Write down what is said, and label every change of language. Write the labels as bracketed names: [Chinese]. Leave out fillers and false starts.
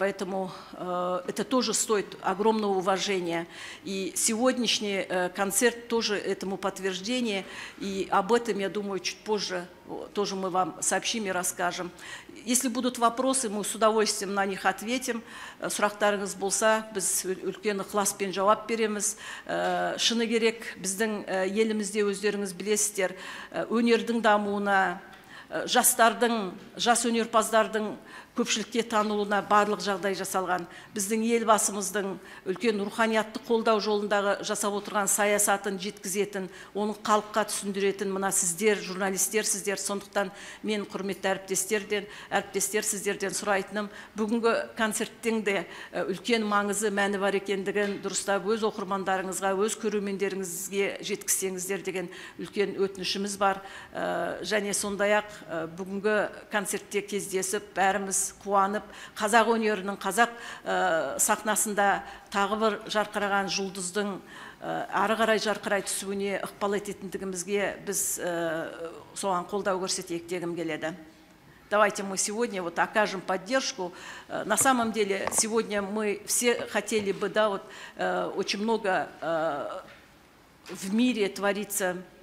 [Russian] Поэтому это тоже стоит огромного уважения. И сегодняшний концерт тоже этому подтверждение. И об этом, я думаю, чуть позже тоже мы вам сообщим и расскажем. Если будут вопросы, мы с удовольствием на них ответим. [Kazakh] Сұрақтарыңыз болса, біз үлкен ықыласпен жауап береміз. Шыны керек, біздің елімізде өздеріңіз білесіздер, өнердің дамуына, жастардың, жас өнерпаздардың көпшілікке танылуына барлық жағдай жасалған. Біздің елбасымыздың үлкен руханиятты қолдау жолындағы жасап отырған саясатын жеткізетін, оның халыққа түсіндіретін мына сіздер, журналистер сіздер. Сондықтан мен құрметті әріптестер сіздерден сұрайтыным, бүгінгі концерттің де үлкен маңызы мәні бар екендігін дұрыстап өз оқырмандарыңызға, өз көрермендеріңізге жеткізсеңіздер деген үлкен өтінішіміз бар. Және сондай-ақ бүгінгі концертте кездесіп бәріміз қуанып, қазақ өнерінің қазақ сахнасында тағы бір жарқыраған жұлдыздың ары қарай жарқырай түсуіне ықпал ететіндігімізге біз соған қолдау көрсетейік дегім келеді. [Russian] Давайте мы сегодня вот окажем поддержку. На самом деле сегодня мы все хотели бы, да, вот очень много в мире творится,